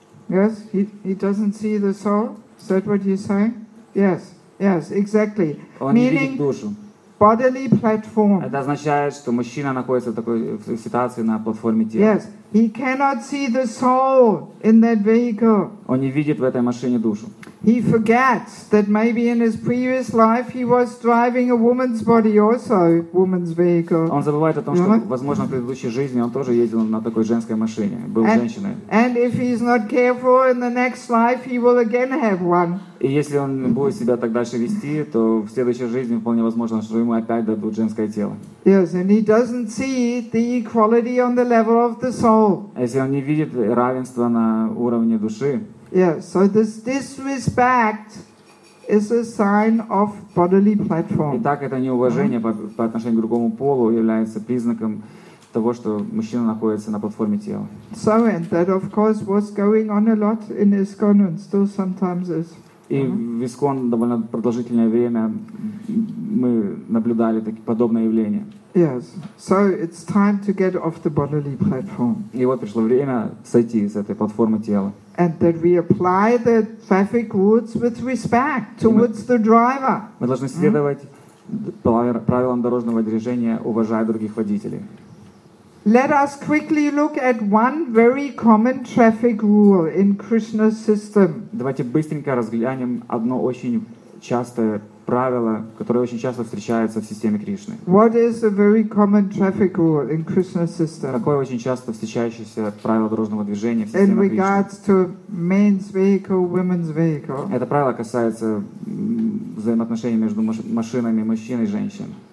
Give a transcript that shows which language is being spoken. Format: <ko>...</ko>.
<en>Yes, he doesn't see the soul. Is that what you're saying? Yes, yes, exactly.</en> <ru>Он не видит душу.</ru> <en>Bodily platform.</en> <ru>Это означает, что мужчина находится в такой ситуации на платформе тела.</ru> <en>Yes, he cannot see the soul in that vehicle.</en> <ru>Он не видит в этой машине душу.</ru> <en>He forgets that maybe in his previous life he was driving a woman's body also, woman's vehicle.</en> <ru>Он забывает о том, что, возможно, в предыдущей жизни он тоже ездил на такой женской машине, был женщиной.</ru> <en>And if he's not careful, in the next life he will again have one.</en> <ru>И если он будет себя так дальше вести, то в следующей жизни вполне возможно, что ему опять дадут женское тело.</ru> <en>Yes, and he doesn't see the equality on the level of the soul.</en> <ru>Если он не видит равенство на уровне души.</ru> <en>Yes, so this disrespect is a sign of bodily platform.</en> <ru>Итак, это неуважение по отношению к другому полу является признаком того, что мужчина находится на платформе тела.</ru> <en>So and that, of course, was going on a lot in ISKCON and still sometimes is.</en> <ru>И в ИСКОН довольно продолжительное время мы наблюдали подобное явление.</ru> <en>Yes. So it's time to get off the bodily platform.</en> <ru>И вот пришло время сойти с этой платформы тела.</ru> <en>And that we apply the traffic rules with respect towards the driver.</en> <ru>Мы должны следовать правилам дорожного движения, уважая других водителей.</ru> <en>Let us quickly look at one very common traffic rule in Krishna's system.</en> <ru>Давайте быстренько разглянем одно очень частое правило, которое очень часто встречается в системе Кришны.</ru> <en>What is a very common traffic rule in Krishna's system?</en> <ru>Какое очень часто встречающееся правило дорожного движения в системе Кришны?</ru> <en>In regards to men's vehicle, women's vehicle.</en> <ru>Это правило касается взаимоотношений между машинами мужчин и женщин.</ru>